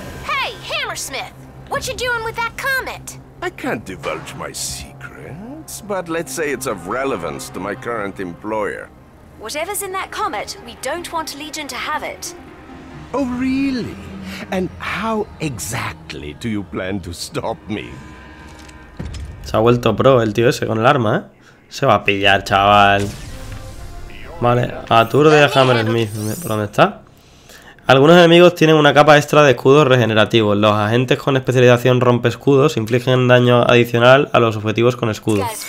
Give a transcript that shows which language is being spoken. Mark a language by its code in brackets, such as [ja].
[es] Hey, Hammersmith, ¿qué estás haciendo con ese comet? [en] I can't divulge my secrets, but let's say it's of relevance to my current employer. Whatever's in that comet, we don't want Legion to have it. Oh, really? And how exactly do you plan to stop me? [es] Se ha vuelto pro el tío ese con el arma, ¿eh? Se va a pillar, chaval. Vale, Arthur de Hammersmith, ¿por dónde está? Algunos enemigos tienen una capa extra de escudos regenerativos. Los agentes con especialización rompe escudos infligen daño adicional a los objetivos con escudos.